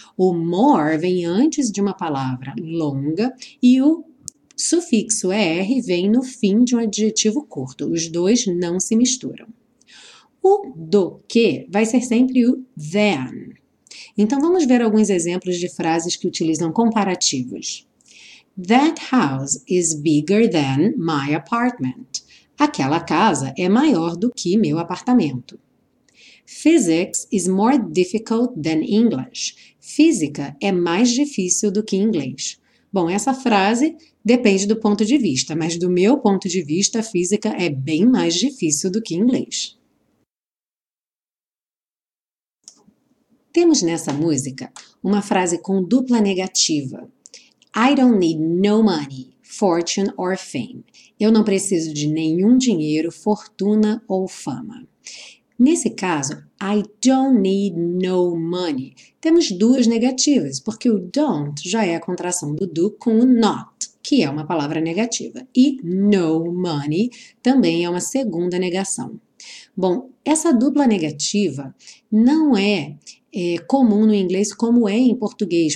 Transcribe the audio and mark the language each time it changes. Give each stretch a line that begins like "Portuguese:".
Portuguese: O more vem antes de uma palavra longa e o sufixo er vem no fim de um adjetivo curto. Os dois não se misturam. O do que vai ser sempre o than. Então vamos ver alguns exemplos de frases que utilizam comparativos.
English: That house is bigger than my apartment.
Portuguese: Aquela casa é maior do que meu apartamento.
English: Physics is more difficult than English.
Portuguese: Física é mais difícil do que inglês. Bom, essa frase depende do ponto de vista, mas do meu ponto de vista, física é bem mais difícil do que inglês. Temos nessa música uma frase com dupla negativa.
English: I don't need no money, fortune or fame.
Portuguese: Eu não preciso de nenhum dinheiro, fortuna ou fama. Nesse caso,
English: I don't need no money.
Portuguese: Temos duas negativas, porque o don't já é a contração do do com o not, que é uma palavra negativa. E no money também é uma segunda negação. Bom, essa dupla negativa não é comum no inglês como é em português.